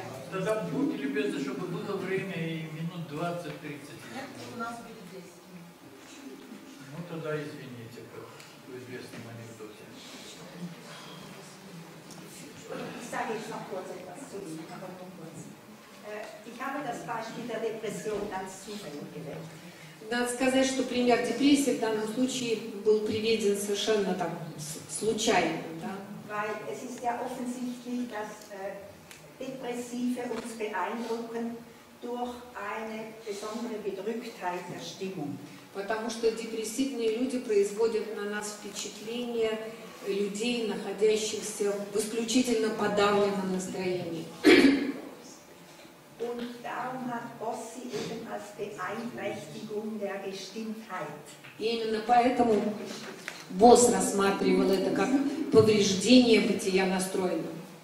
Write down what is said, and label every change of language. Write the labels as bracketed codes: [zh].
[ru] Тогда будьте любезны, чтобы было время и минут 20-30. Нет, у нас будет 10. Ну тогда извините, как в известном анекдоте. [de] ich sage jetzt noch kurz etwas zu Ihnen, aber nur kurz. Ich habe das Beispiel der Depression als Zufall gewählt. [ru] Надо сказать, что пример депрессии в данном случае был приведен совершенно там случайно, да? [de] Weil es ist ja offensichtlich, dass Depressive uns beeindrucken durch eine besondere Bedrücktheit der Stimmung. [ru] Потому что депрессивные люди производят на нас впечатление людей, находящихся в исключительно подавленном настроении. [de] Und darum hat Bossi eben als Beeinträchtigung der Gestimmtheit. [ru] Именно поэтому Босс рассматривал это как повреждение бытия настроенного.